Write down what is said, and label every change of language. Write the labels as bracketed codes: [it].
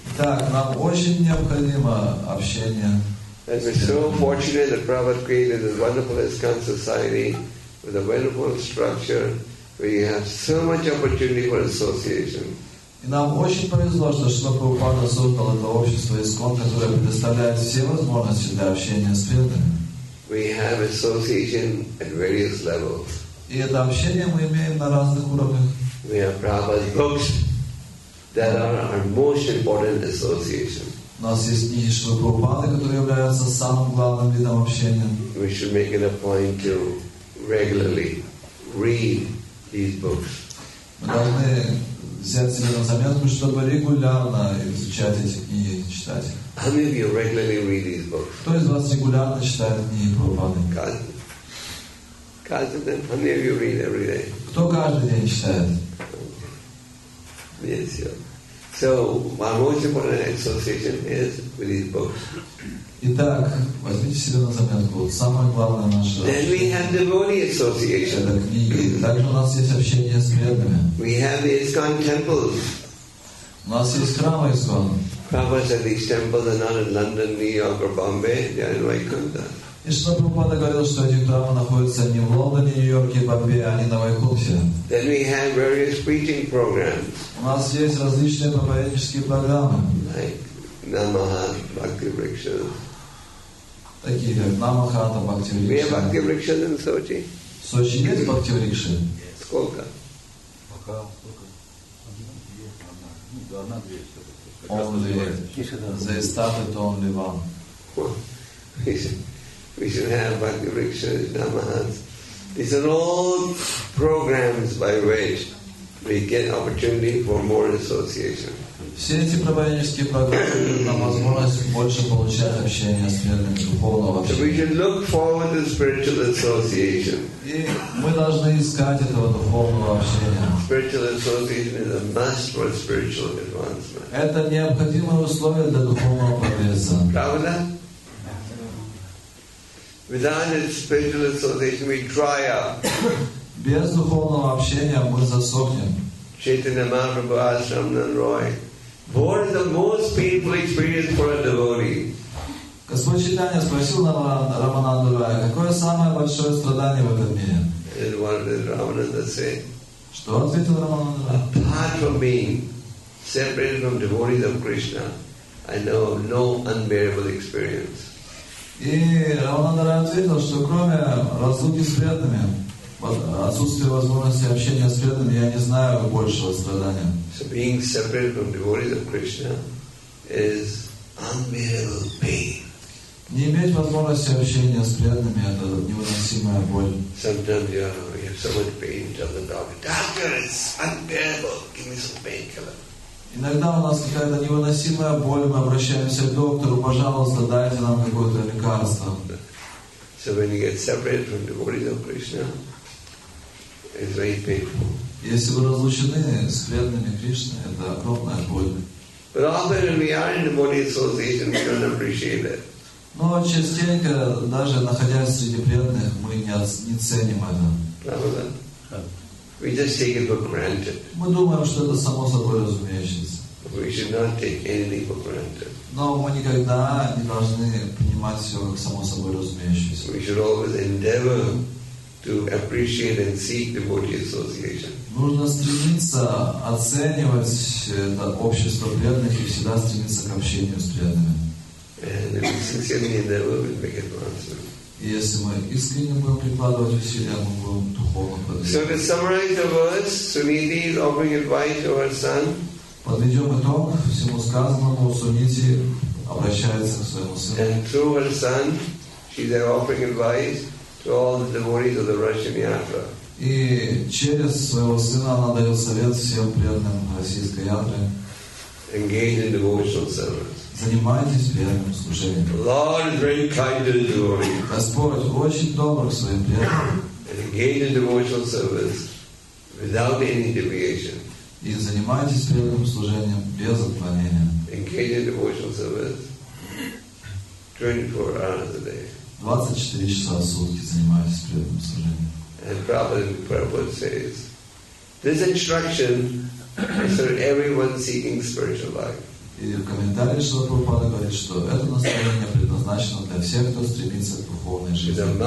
[ru] Так, нам очень необходимо общение. [en] And we're so fortunate that Prabhupada created this wonderful ISKCON society with a wonderful structure where you have so much opportunity for association. [ru] И нам очень повезло, что Шрила Прабхупада создал это общество ISKCON, которое предоставляет все возможности для общения с преданными. [en] We have association at various levels. [ru] И это общение мы имеем на разных уровнях. [en] We have Prabhupada's books that are our most important association. [ru] У нас есть книги Шрилы Прабхупады, которые являются самым главным видом общения. [en] We should make it a point to regularly read these books. [ru] Мы должны взять себе на заметку, чтобы регулярно изучать эти книги и читать. [en] How many of you regularly read these books? [ru] Кто из вас регулярно читает книги Прабхупады? Каждый день, [en] how many of you read every day? [ru] Кто каждый день читает? [en] Yes, yeah. So my most important association is with these books. [ru] Итак, возьмите себе на заметку. Самое главное наше. [en] Then we have devotee association. [ru] Это книги. Также у нас есть общение с преданными. [en] We have the ISKCON temples. [ru] У нас есть храмы ISKCON. [en] Prabhupada said these temples are not in London, New York, or Bombay. They are in Vaikuntha. [ru] И Шрила Прабхупада говорил, что эти храмы находятся не в Лондоне, Нью-Йорке, Бомбее, а не на Вайкунтхе. [en] We have various preaching programs. [ru] У нас есть различные проповеднические программы. [en] Like Namaha, Bhakti Rikshas. [ru] Такие как Намаха, Бхакти Рикша. [en] We have Bhakti Rikshas in Sochi. [ru] В Сочи есть Бхакти Рикша? Сколько? Пока только одна-две. [en] Only one. They started only one. We should have Bhakti Rikshas, Namahas. These are all programs by which we get opportunity for more association. [ru] Все эти проповеднические программы нам возможность больше получать общение с преданными, духовного общения. [en] We should look forward to spiritual association. [ru] И мы должны искать этого духовного общения. [en] Spiritual association is a must for spiritual advancement. [ru] Это необходимое условие для духовного прогресса. Правда? [en] Without a spiritual association, we dry up. [ru] Без духовного общения мы засохнем. [en] Chaitanya Mahaprabhu asked Ramanan Roy, "What is the most painful experience for a devotee?" [ru] Господь Читания спросил Рамананду Роя, какое самое большое страдание в этом мире? [en] And what did Ramananda say? [ru] Что ответил Рамананду Роя? [en] Apart from being separated from devotees of Krishna, I know of no unbearable experience. [ru] И Рамананда Рай ответил, что кроме разлуки с преданными, отсутствия возможности общения с преданными, я не знаю большего страдания. [en] So being separated from devotees of Krishna is unbearable pain. [ru] Не иметь возможности общения с преданными — это невыносимая боль. [en] Sometimes you have so much pain, tell the doctor, "Doctor, it's unbearable. Give me some painkiller." [ru] Иногда у нас какая-то невыносимая боль, мы обращаемся к доктору, пожалуйста, дайте нам какое-то лекарство. [en] So when you get separated from devotees of Krishna, it's very painful. [ru] Если вы разлучены с преданными Кришны, это огромная боль. [en] But often when we are in devotee association, we don't appreciate it. [ru] Но частенько, даже находясь среди преданных, мы не ценим это. [en] We just take it for granted. [ru] Мы думаем, что это само собой разумеющееся. [en] We should not take anything for granted. [ru] Но мы никогда не должны принимать все как само собой разумеющееся. [en] We should always endeavor to appreciate and seek devotee association. [ru] Нужно стремиться оценивать общество преданных и всегда стремиться к общению с преданными. [en] And if we sincerely endeavor, we'll make advancement. [ru] Если мы искренне будем прикладывать усилия, мы будем духовно продвигаться. [en] So to summarize the verse, Suniti is offering advice to her son. [ru] Подведем итог всему сказанному. Сунити обращается к своему сыну. [en] And through her son, she's offering advice to all the devotees of the Russian Yatra. [ru] И через своего сына она дает совет всем преданным российской Ятры. [en] Engage in devotional service. [ru] Занимайтесь преданным служением. [en] Lord is very kind to the devotee. [ru] Господь очень добр к своим преданным. [en] And engage in devotional service without any deviation. [ru] И занимайтесь преданным служением без отклонения. [en] Engage in devotional service 24 hours a day. [ru] 24 часа в сутки занимайтесь преданным служением. [en] And Prabhupada says, this instruction is for everyone seeking spiritual life. [ru] И в комментарии Шрила Прабхупада говорит, что это наставление предназначено для всех, кто стремится к духовной жизни.